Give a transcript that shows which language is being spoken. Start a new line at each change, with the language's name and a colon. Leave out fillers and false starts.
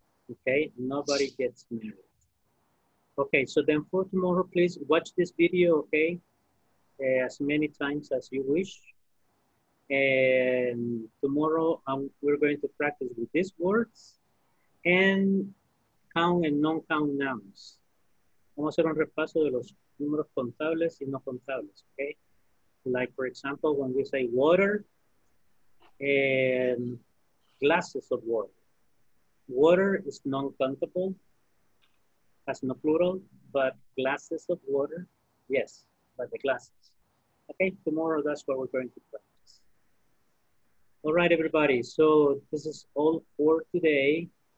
English: Okay, nobody gets married. Okay, so then for tomorrow, please watch this video, okay? As many times as you wish. And tomorrow we're going to practice with these words and count and non-count nouns.
Spanish: Vamos a hacer un repaso de los números contables y no contables, okay?
English: Like, for example, when we say water and glasses of water. Water is non-countable, has no plural, but glasses of water, yes, but the glasses. Okay, tomorrow that's what we're going to practice. All right, everybody, so this is all for today.